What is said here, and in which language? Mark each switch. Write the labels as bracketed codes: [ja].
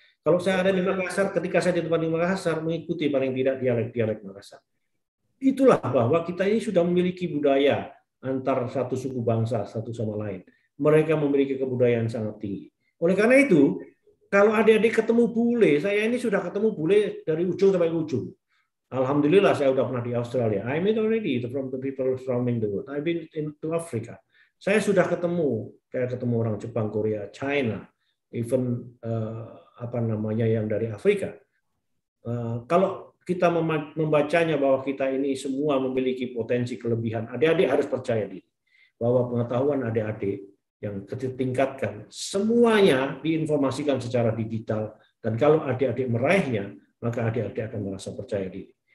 [id] Kalau saya ada di Makassar, ketika saya di tempat di Makassar, mengikuti paling tidak dialek-dialek Makassar. Itulah bahwa kita ini sudah memiliki budaya antar satu suku bangsa, satu sama lain. Mereka memiliki kebudayaan sangat tinggi. Oleh karena itu, kalau adik-adik ketemu bule, saya ini sudah ketemu bule dari ujung sampai ujung. Alhamdulillah saya sudah pernah di Australia. [en] I met already from the people surrounding the world. I've been to Africa. [id] Saya sudah ketemu, kayak ketemu orang Jepang, Korea, China, even apa namanya yang dari Afrika. Kalau kita membacanya bahwa kita ini semua memiliki potensi kelebihan, adik-adik harus percaya diri bahwa pengetahuan adik-adik yang ditingkatkan semuanya diinformasikan secara digital dan kalau adik-adik meraihnya maka adik-adik akan merasa percaya diri.